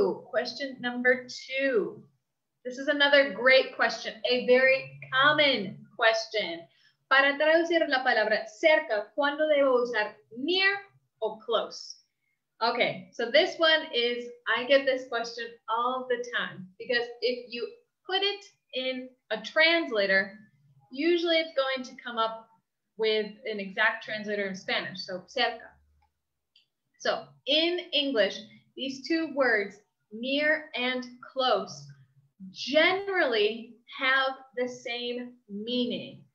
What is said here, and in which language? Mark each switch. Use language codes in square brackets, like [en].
[en] Question number two. This is another great question, a very common question. [es] Para traducir la palabra cerca, ¿cuándo debo usar [en] near or close? Okay, so this one is, I get this question all the time, because if you put it in a translator, usually it's going to come up with an exact translator in Spanish, so [es] cerca. [en] So in English, these two words, near and close, generally have the same meaning.